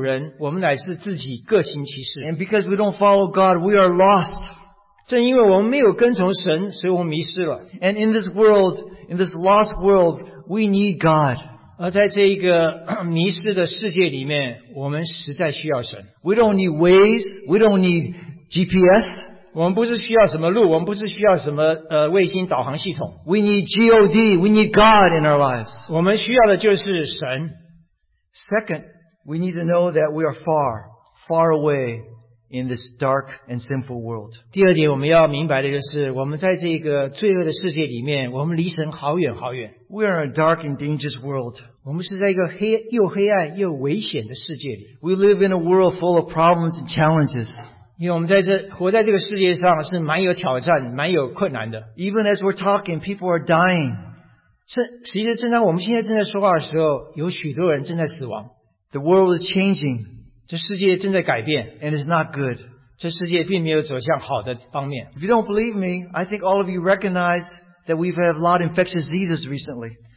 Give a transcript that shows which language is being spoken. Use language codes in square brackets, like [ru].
[zh] 因为我们没有去跟随我们的主，我们的主人，我们乃是自己各行其事。 [en] And because we don't follow God, we are lost. [zh] 正因为我们没有跟从神，所以我们迷失了。 [en] And in this world, in this lost world, we need God. [zh] 而在这个迷失的世界里面，我们实在需要神。 [en] We don't need Waze, we don't need GPS. [zh] 我们不是需要什么路，我们不是需要什么卫星导航系统。 [en] We need God, we need God in our lives. [zh] 我们需要的就是神。 [en] Second, we need to know that we are far, far away in this dark and sinful world. [zh] 第二点我们要明白的就是我们在这个罪恶的世界里面我们离神好远好远。 [en] We are in a dark and dangerous world. [zh] 我们是在一个又黑暗又危险的世界里。 [en] We live in a world full of problems and challenges. [zh] 因为我们活在这个世界上是蛮有挑战蛮有困难的。 [en] Even as we're talking, people are dying. [zh] 其实正当我们现在正在说话的时候有许多人正在死亡。 [en] The world is changing. [zh] 这世界正在改变, [en] and it's not good. [zh] 这世界并没有走向好的方面。 [en] If you don't believe me, I think all of you recognize that we've had a lot of infectious diseases recently.